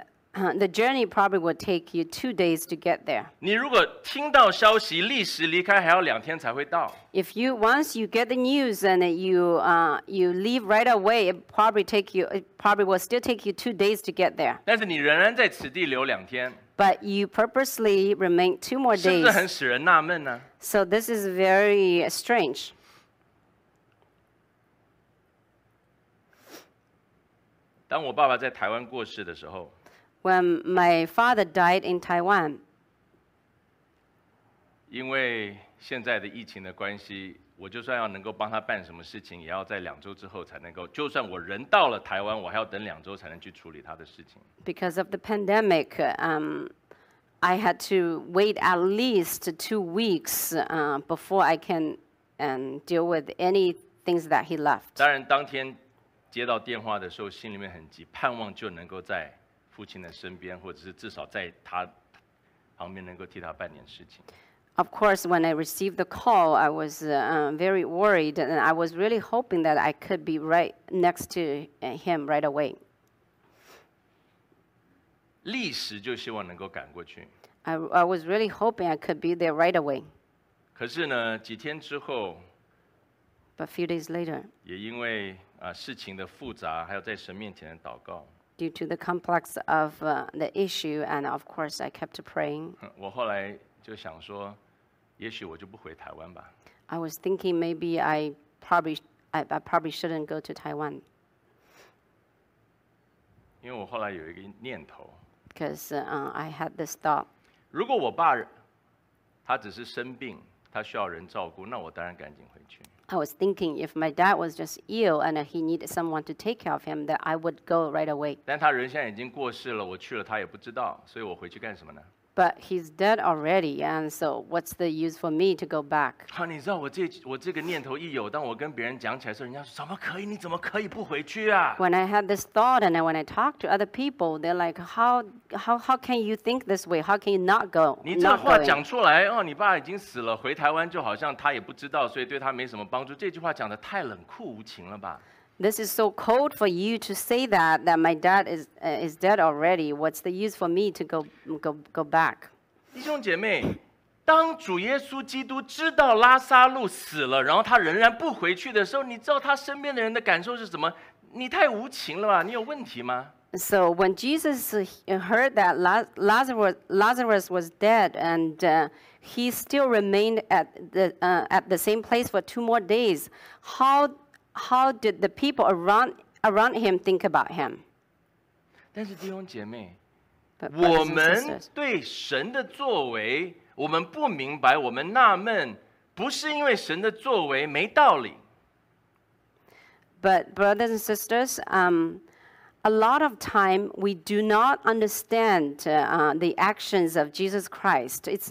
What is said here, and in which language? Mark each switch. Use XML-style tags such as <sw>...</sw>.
<en>The journey probably will take you 2 days to get there.</en> <zh>你如果听到消息，立时离开，还要两天才会到。</zh> <en>If you once you get the news and you leave right away, it probably will still take you 2 days to get there.</en> <zh>但是你仍然在此地留两天。</zh> <en>But you purposely remain 2 more days.</en> <zh>是不是很使人纳闷呢？</zh> <en>So this is very strange.</en> <zh>当我爸爸在台湾过世的时候</zh> <en>，When my father died in Taiwan，</en> <zh>因为现在的疫情的关系，我就算要能够帮他办什么事情，也要在两周之后才能够。就算我人到了台湾，我还要等两周才能去处理他的事情。</zh> <en>Because of the pandemic, I had to wait at least 2 weeks, before I can deal with any things that he left.</en> <zh>当然，当天。接到电话的时候心里面很急，盼望就能够在父亲的身边，或者是至少在他旁边能够替他办点事情。</zh> <en>Of course, when I received the call, I was very worried, and I was really hoping that I could be right next to him right away.</en> <zh>立时就希望能够赶过去。</zh> <en>I was really hoping I could be there right away.</en> <zh>可是呢，几天之后</zh> <en>，But a few days later,</en> <zh>也因为事情的复杂，还有在神面前的祷告。</zh> <en>Due to the complex of the issue, and of course, I kept praying.</en> <zh>我后来就想说，也许我就不回台湾吧。</zh> <en>I was thinking maybe I probably shouldn't go to Taiwan.</en> <zh>因为我后来有一个念头。</zh> <en>Because I had this thought.</en> <zh>如果我爸他只是生病，他需要人照顾，那我当然赶紧回去。</zh> <en>I was thinking if my dad was just ill and he needed someone to take care of him, that I would go right away.</en> <zh>但他人现在已经过世了，我去了他也不知道，所以我回去干什么呢？</zh> <en>But he's dead already, and so what's the use for me to go back?</en> <zh>啊，你知道我这个念头一有，当我跟别人讲起来的时候，人家说怎么可以？你怎么可以不回去啊</zh> <en>？When I had this thought, and when I talked to other people, they're like, how can you think this way? How can you not go?</en> <zh>你这话讲出来哦，你爸已经死了，回台湾就好像他也不知道，所以对他没什么帮助。这句话讲的太冷酷无情了吧？</zh> <en>This is so cold for you to say that my dad is dead already. What's the use for me to go back?</en> <zh>弟兄姐妹，当主耶稣基督知道拉撒路死了，然后他仍然不回去的时候，你知道他身边的人的感受是什么？你太无情了吧？你有问题吗？</zh> <en>So when Jesus heard that Lazarus was dead and he still remained at the same place for two more days, How did the people around him think about him?</en> <zh>但是弟兄姐妹，我们对神的作为，我们不明白，我们纳闷，不是因为神的作为没道理。</zh> <en>But brothers and sisters, a lot of time we do not understand the actions of Jesus Christ.</en>